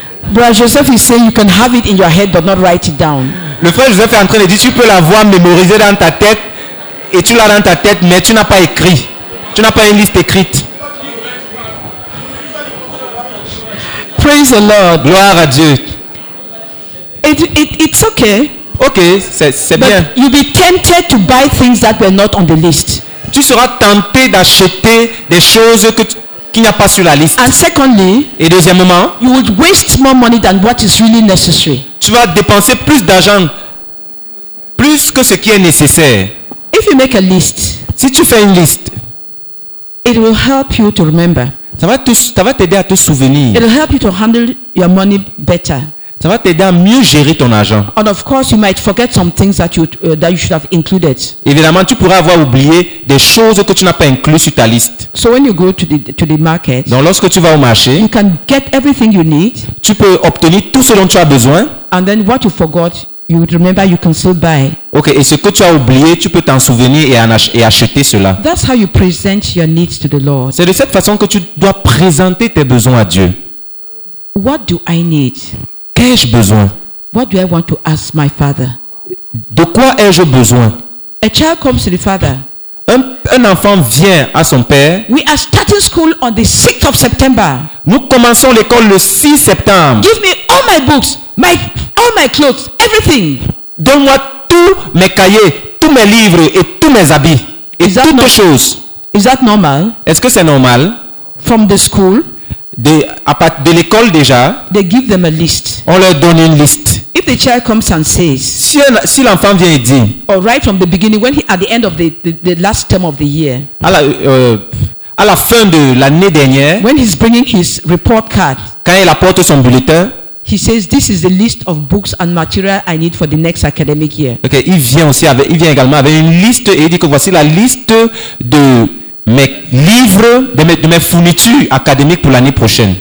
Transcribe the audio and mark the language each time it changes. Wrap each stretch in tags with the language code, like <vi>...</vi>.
<en>Brother Joseph is saying you can have it in your head but not write it down.</en> <fr>Le frère Joseph est en train de dire tu peux l'avoir mémorisé dans ta tête. Et tu l'as dans ta tête, mais tu n'as pas écrit. Tu n'as pas une liste écrite.</fr> <en>Praise the Lord.</en> <fr>Gloire à Dieu.</fr> <en>It's okay.</en> <fr>Okay, c'est</fr> <en>but</en> <fr>bien.</fr> <en>You'll be tempted to buy things that were not on the list.</en> <fr>Tu seras tenté d'acheter des choses qui n'a pas sur la liste.</fr> <en>And secondly,</en> <fr>et deuxièmement,</fr> <en>you would waste more money than what is really necessary.</en> <fr>Tu vas dépenser plus d'argent, plus que ce qui est nécessaire.</fr> <en>If you make a list,</en> <fr>si tu fais une liste,</fr> <en>it will help you to remember.</en> <fr>Ça va t'aider à te souvenir.</fr> <en>It will help you to handle your money better.</en> <fr>Ça va t'aider à mieux gérer ton argent.</fr> <en>And of course, you might forget some things that you should have included.</en> <fr>Évidemment, tu pourras avoir oublié des choses que tu n'as pas incluses sur ta liste.</fr> <en>So when you go to the market,</en> <fr>donc lorsque tu vas au marché,</fr> <en>you can get everything you need.</en> <fr>Tu peux obtenir tout ce dont tu as besoin.</fr> <en>And then what you forgot. You would remember you can still buy.</en> <fr>Okay, et ce que tu as oublié, tu peux t'en souvenir et acheter cela.</fr> <en>That's how you present your needs to the Lord.</en> <fr>C'est de cette façon que tu dois présenter tes besoins à Dieu.</fr> <en>What do I need?</en> <fr>Qu'ai-je besoin?</fr> <en>What do I want to ask my father?</en> <fr>De quoi ai-je besoin?</fr> <en>A child comes to the father.</en> <fr>Un enfant vient à son père.</fr> <en>We are starting school on the 6th of September.</en> <fr>Nous commençons l'école le 6 septembre.</fr> <en>Give me all my books, my All my clothes, everything.</en> <fr>Donne-moi tous mes cahiers, tous mes livres et tous mes habits et</fr> <en>is that</en> <fr>toutes les choses.</fr> <en>Is that normal?</en> <fr>Est-ce que c'est normal?</fr> <en>From the school.</en> <fr>De l'école déjà.</fr> <en>They give them a list.</en> <fr>On leur donne une liste.</fr> <en>If the child comes and says.</en> <fr>Si l'enfant vient et dit.</fr> <en>Or right from the beginning, when he at the end of the last term of the year.</en> <fr>À la fin de l'année dernière.</fr> <en>When he's bringing his report card.</en> <fr>Quand il apporte son bulletin.</fr> <en>He says, "This is the list of books and material I need for the next academic year."</en> <fr>Okay, il vient aussi avec, il vient également avec une liste et il dit que voici la liste de mes livres, de mes fournitures académiques pour l'année prochaine.</fr>